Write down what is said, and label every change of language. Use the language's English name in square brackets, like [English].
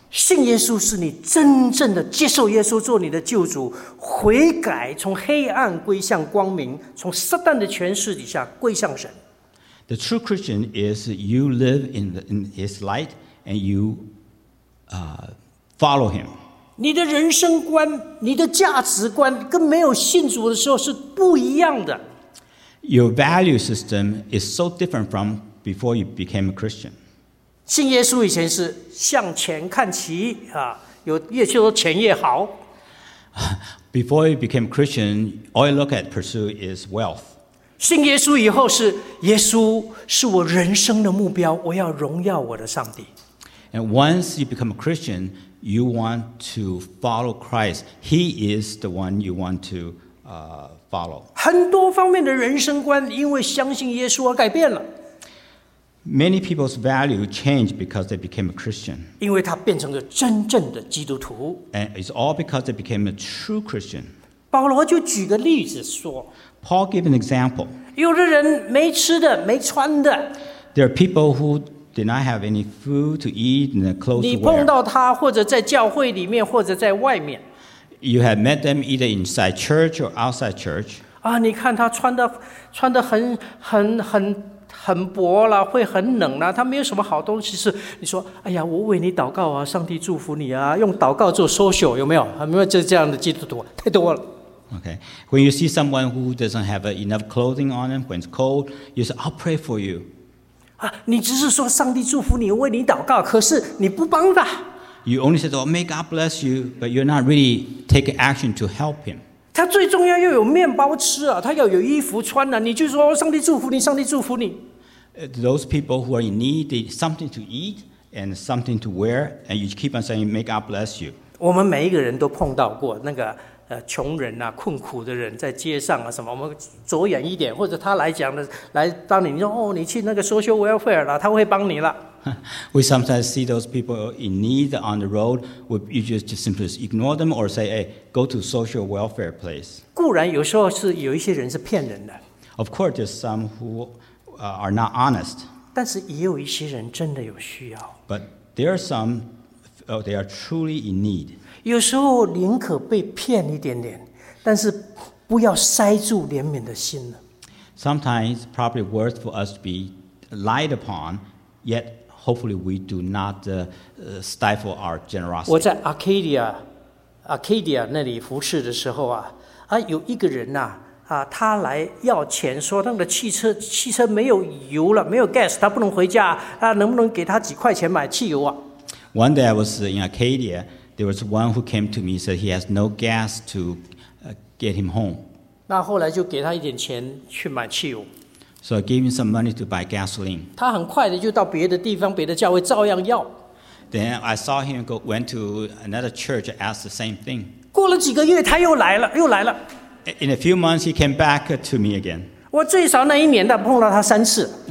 [Chinese] 信耶稣是你真正的接受耶稣做你的救主，悔改，从黑暗归向光明，从撒旦的权势底下归向神。 [English] The true Christian is you live in his light and you follow him. [Chinese] 你的人生观，你的价值观跟没有信主的时候是不一样的。 [English] Your value system is so different from before you became a Christian. [Chinese] 信耶稣以前是向前看齐，有越去说钱越好。 [English] Before you became a Christian, all you look at pursue is wealth. [Chinese] 信耶稣以后是耶稣是我人生的目标，我要荣耀我的上帝。 [English] And once you become a Christian, you want to follow Christ. He is the one you want to follow. [Chinese] 很多方面的人生观因为相信耶稣而改变了。 [English] Many people's value change because they became a Christian. [Chinese] 因为他变成了真正的基督徒。 [English] And it's all because they became a true Christian. [Chinese] 保罗就举个例子说。 [English] Paul gave an example. [Chinese] 有的人没吃的，没穿的。 [English] There are people who did not have any food to eat and clothes to wear. [Chinese] 你碰到他，或者在教会里面，或者在外面。 [English] You have met them either inside church or outside church. [Chinese] 啊，你看他穿的很薄了，会很冷了，他没有什么好东西吃。你说，哎呀，我为你祷告啊，上帝祝福你啊，用祷告做 social 有没有？有没有这样的基督徒？太多了。 [English] Okay. When you see someone who doesn't have enough clothing on him, when it's cold, you say, I'll pray for you. [Chinese] 啊，你只是说上帝祝福你，为你祷告，可是你不帮他。 [English] You only say, oh, may God bless you, but you're not really taking action to help him. [Chinese] 他最重要要有面包吃啊，他要有衣服穿啊，你就说上帝祝福你，上帝祝福你。 [English] Those people who are in need, they need something to eat and something to wear, and you keep on saying, may God bless you. [Chinese] 我们每一个人都碰到过那个穷人啊，困苦的人在街上啊，什么？我们着眼一点，或者他来讲的，来帮你。你说哦，你去那个 [English] social welfare [Chinese] 了，他会帮你了。 [English] We sometimes see those people in need on the road. We just simply ignore them or say, "Hey, go to social welfare place." [Chinese] 固然有时候是有一些人是骗人的。 [English] Of course, there's some who are not honest. [Chinese] 但是也有一些人真的有需要。 [English] But there are some, they are truly in need. [Chinese] 有时候宁可被骗一点点，但是不要塞住怜悯的心了。 [English] Sometimes it's probably worth for us to be lied upon, yet hopefully we do not stifle our generosity. [Chinese] 我在 Arcadia 那里服侍的时候有一个人他来要钱，说他的汽车没有油了，没有 gas, 他不能回家啊，能不能给他几块钱买汽油啊 [English] ？One day I was in Arcadia. There was one who came to me and said he has no gas to get him home. [Chinese] 那后来就给他一点钱去买汽油。 [English] So I gave him some money to buy gasoline. [Chinese] 他很快的就到别的地方，别的教会照样要。 [English] Then I saw him went to another church and asked the same thing. [Chinese] 过了几个月，他又来了。 [English] In a few months, he came back to me again. [Chinese] 我最少那一年的碰到他三次。